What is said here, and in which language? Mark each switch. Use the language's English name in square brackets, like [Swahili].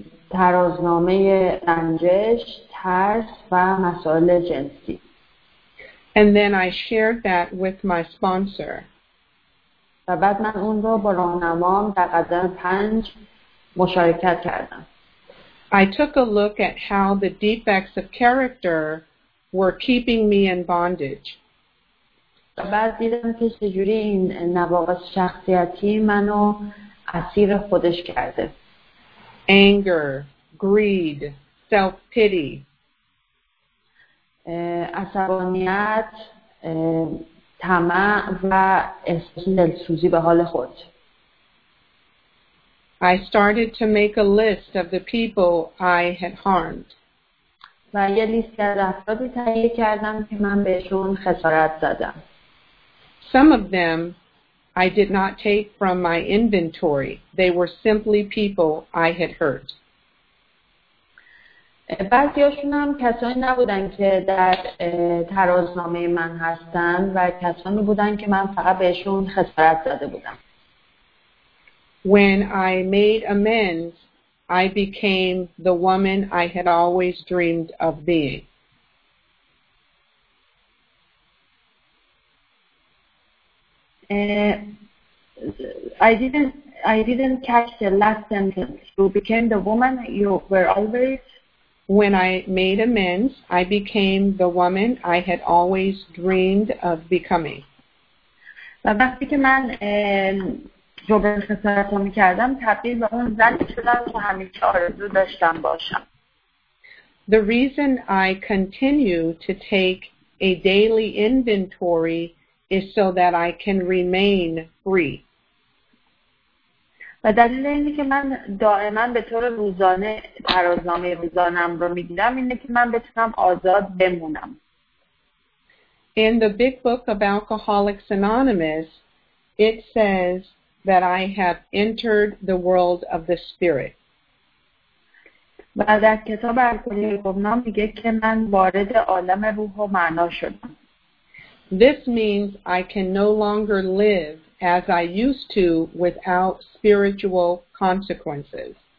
[Persian] ترازنامه رنجش، ترس و مسائل جنسی. [English] And then I shared that with my sponsor. [Persian] و بعد من اون رو با راهنمام در قدم 5 مشارکت کردم. [English] I took a look at how the defects of character were keeping me in bondage. [Persian] و بعد دیدم که چجوری این نواقص شخصیتی منو اسیر خودش کرده. [English] Anger, greed, self-pity. [Persian] عصبانیت، طمع و احساس دلسوزی به حال خود. [English] I started to make a list of the people I had harmed. [Persian] و یه لیستی از افرادی تهیه کردم که من بهشون خسارت زدم. [English] Some of them I did not take from my inventory. They were simply people I had hurt. [Persian] بعضیاشون هم کسانی نبودن که در ترازنامه من هستن و کسانی بودن که من فقط بهشون خسارت زده بودم. [English] When I made amends, I became the woman I had always dreamed of being. I didn't catch the last sentence. You became the woman you were always. When I made amends, I became the woman I had always dreamed of becoming. [Persian] وقتی که من جبران خسارت رو میکردم تبدیل به اون زنی شدم که همیشه آرزو داشتم باشم. [English] The reason I continue to take a daily inventory is so that I can remain free. [Persian] و دلیل اینه که من دائما به طور روزانه ترازنامه روزانم رو میگیرم اینه که من بتونم آزاد بمونم. [English] In the big book of Alcoholics Anonymous, it says that I have entered the world of the spirit. [Persian] و در کتاب الکلیه گفنام میگه که من وارد عالم روح و معنا شدم. [English] This means I can no longer live as I used to without spiritual consequences.